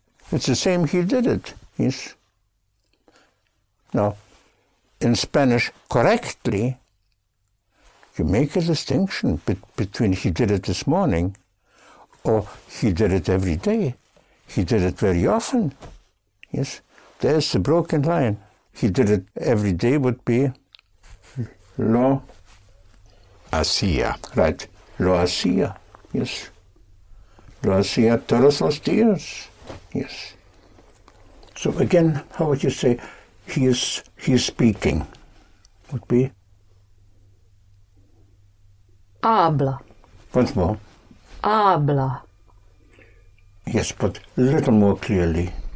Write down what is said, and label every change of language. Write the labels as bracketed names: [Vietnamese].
[English] It's the same he did it. Yes. Now, in Spanish, correctly, you make a distinction between he did it this morning Or he did it every day. He did it very often. Yes, there's the broken line. He did it every day would be lo [Spanish] hacía. Right, lo hacía, yes. Lo hacía todos los días, yes. [English] So again, how would you say he is speaking would be? [Spanish] Habla. [English] Once more. [Spanish] Habla. [English] Yes, but a little more clearly.